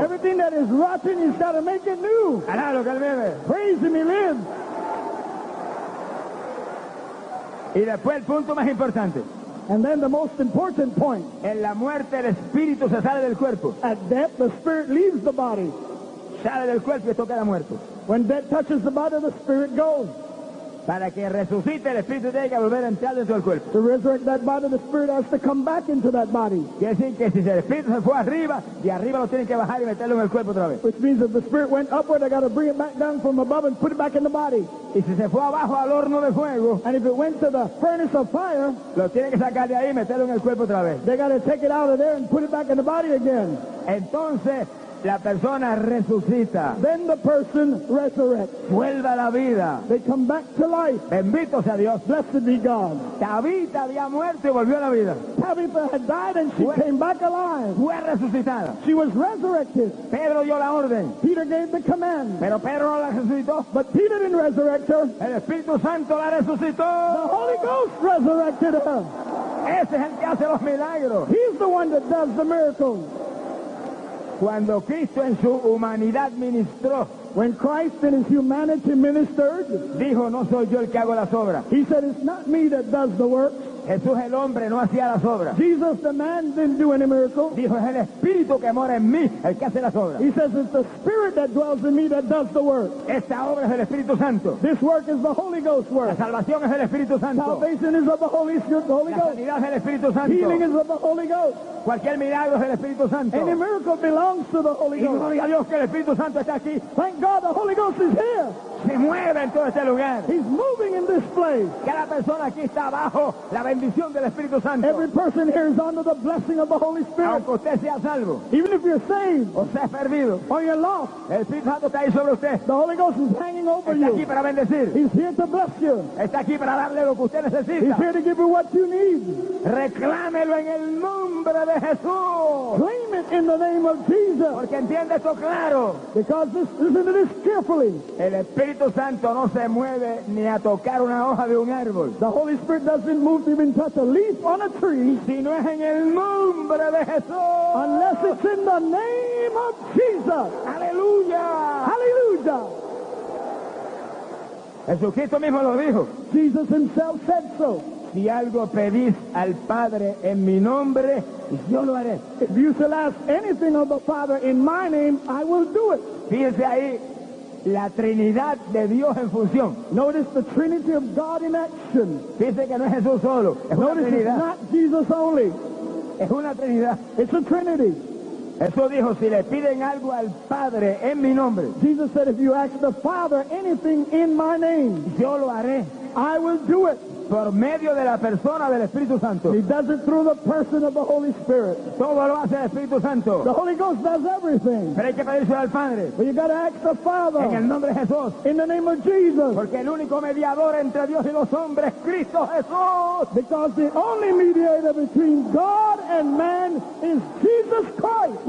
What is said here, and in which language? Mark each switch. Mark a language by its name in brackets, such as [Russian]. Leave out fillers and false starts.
[English] Everything that is rotten, he's got to make it new. [Spanish] Alá lo que él vive. [English] Praise him, he lives. [Spanish] Y después el punto más importante. [English] And then the most important point. [Spanish] En la muerte el espíritu se sale del cuerpo. [English] At death the spirit leaves the body. [Spanish] Sale del cuerpo y toca la muerte. [English] When death touches the body, the spirit goes. [Spanish] Para que resucite el espíritu tiene que volver a entrar dentro del cuerpo. [English] To resurrect that body, the spirit has to come back into that body. [Spanish] Quiere decir que si el espíritu se fue arriba, de arriba lo tienen que bajar y meterlo en el cuerpo otra vez. [English] Which means if the spirit went upward, I got to bring it back down from above and put it back in the body. [Spanish] Y si se fue abajo al horno de fuego, [English] and if it went to the furnace of fire, [Spanish] lo tienen que sacar de ahí y meterlo en el cuerpo otra vez. [English] They got to take it out of there and put it back in the body again. [Spanish] Entonces la persona resucita. [English] Then the person resurrects. [Spanish] Vuelve a la vida. [English] They come back to life. [Spanish] Bendito sea Dios. [English] Blessed be God. [Spanish] Tabitha había muerto y volvió a la vida. [English] Tabitha had died and she came back alive. [Spanish] Fue resucitada. [English] She was resurrected. [Spanish] Pedro dio la orden. [English] Peter gave the command. [Spanish] Pero Pedro no la resucitó. [English] But Peter didn't resurrect her. [Spanish] El Espíritu Santo la resucitó. [English] The Holy Ghost resurrected her. [Spanish] Ese es el que hace los milagros. [English] He's the one that does the miracles. [Spanish] Cuando Cristo en su humanidad ministró, [English] when Christ in his humanity ministered, [Spanish] dijo, no soy yo el que hago las obras. [English] He said, it's not me that does the works. [Spanish] Jesús el hombre no hacía las obras. [English] Jesus the man didn't do any miracle. [Spanish] Dijo, es el Espíritu que mora en mí el que hace las obras. [English] He says, it's the Spirit that dwells in me that does the work. [Spanish] Esta obra es el Espíritu Santo. [English] This work is the Holy Ghost work. [Spanish] La salvación es el Espíritu Santo. [English] Salvation is of the Holy Spirit, the Holy [Spanish] la [English] Ghost. [Spanish] La sanidad es el Espíritu Santo. [English] Healing is of the Holy Ghost. [Spanish] Cualquier milagro es el Espíritu Santo. [English] Any miracle belongs to the Holy Ghost. [Spanish] Y gloria a Dios que el Espíritu Santo está aquí. [English] Thank God the Holy Ghost is here. [Spanish] Se mueve en todo este lugar. [English] He's moving in this place. [Spanish] Cada persona aquí está abajo la bendición del Espíritu Santo. [English] Every person here is under the blessing of the Holy Spirit. [Spanish] Aunque usted sea salvo. [English] Even if you're saved. [Spanish] O sea perdido. [English] Or you're lost. [Spanish] El Espíritu Santo está ahí sobre usted. [English] The Holy Ghost is hanging over [Spanish] está [English] you. [Spanish] Está aquí para bendecir. [English] He's here to bless you. [Spanish] Está aquí para darle lo que usted necesita. [English] He's here to give you what you need. [Spanish] Reclámelo en el nombre de Jesús. [English] Claim it. it in the name of Jesus. [Spanish] Porque entiende esto claro. [English] Because this, listen to this carefully. [Spanish] El Espíritu Santo no se mueve ni a tocar una hoja de un árbol. [English] The Holy Spirit doesn't move to even touch a leaf on a tree. [Spanish] Si no es en el nombre de Jesús. [English] Unless it's in the name of Jesus. [Spanish] Aleluya. [English] Hallelujah. [Spanish] Jesucristo mismo lo dijo. [English] Jesus himself said so. [Spanish] Si algo pedís al Padre en mi nombre, yo lo haré. [English] If you shall ask anything of the Father in my name, I will do it. [Spanish] Fíjese ahí, la Trinidad de Dios en función. [English] Notice the Trinity of God in action. [Spanish] Fíjese que no es Jesús solo, es [English] Notice [Spanish] una Trinidad. [English] It's not Jesus only. [Spanish] Es una Trinidad. [English] It's a Trinity. [Spanish] Jesús dijo, si le piden algo al Padre en mi nombre, [English] Jesus said, if you ask the Father anything in my name, [Spanish] yo lo haré. [English] I will do it. [Spanish] Por medio de la persona del Espíritu Santo. [English] He does it through the person of the Holy Spirit. [Spanish] Todo lo hace el Espíritu Santo. [English] The Holy Ghost does everything. [Spanish] Pero hay que pedirle al Padre. [English] But you got to ask the Father. [Spanish] En el nombre de Jesús. [English] In the name of Jesus. [Spanish] Porque el único mediador entre Dios y los hombres es Cristo Jesús. [English] Because the only mediator between God and man is Jesus Christ.